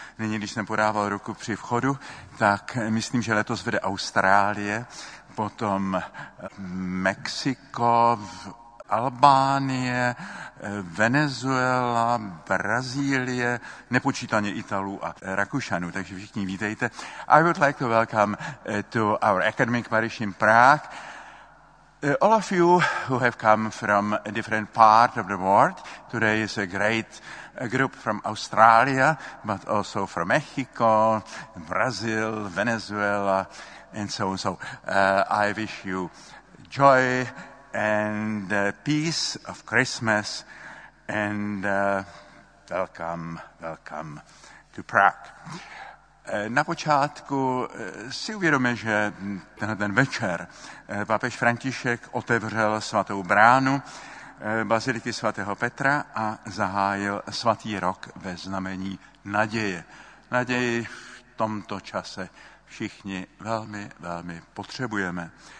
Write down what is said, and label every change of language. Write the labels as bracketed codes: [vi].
[cs] Nyní, když jsem podával ruku při vchodu, tak myslím, že letos vede Austrálie, potom Mexiko, Albánie, Venezuela, Brazílie, nepočítaně Italů a Rakušanů, takže všichni vítejte. [en] I would like to welcome to our academic parish in Prague. All of you who have come from a different part of the world, today is a great group from Australia, but also from Mexico, Brazil, Venezuela, and so on. So I wish you joy and peace of Christmas, and welcome to Prague. [cs] Na počátku si uvědomí, že tenhle ten večer papež František otevřel svatou bránu baziliky svatého Petra a zahájil svatý rok ve znamení naděje. Naději v tomto čase všichni velmi, velmi potřebujeme.